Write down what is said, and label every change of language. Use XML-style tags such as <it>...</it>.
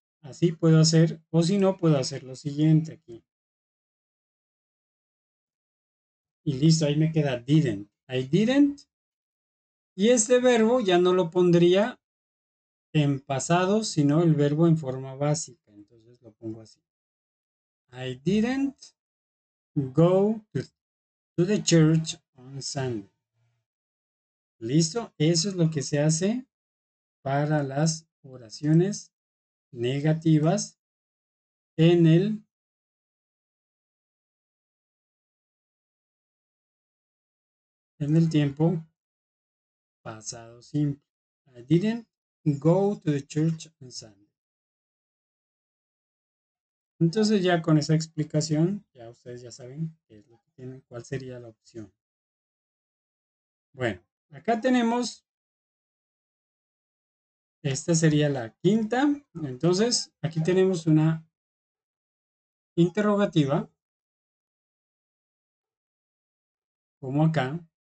<es>Así puedo hacer, o si no, puedo hacer lo siguiente aquí. Y listo, ahí me queda didn't.</es> <en>I didn't.</en> <es>Y este verbo ya no lo pondría en pasado, sino el verbo en forma básica. Entonces lo pongo así.</es> <en>I didn't go to the church on Sunday.</en> <es>Listo, eso es lo que se hace para las oraciones negativas en el tiempo pasado simple.</es> <en>I didn't go to the church on Sunday.</en> <es>Entonces ya con esa explicación, ya ustedes ya saben qué es lo que tienen, cuál sería la opción. Bueno, acá tenemos, esta sería la quinta. Entonces, aquí tenemos una interrogativa, como acá.</es>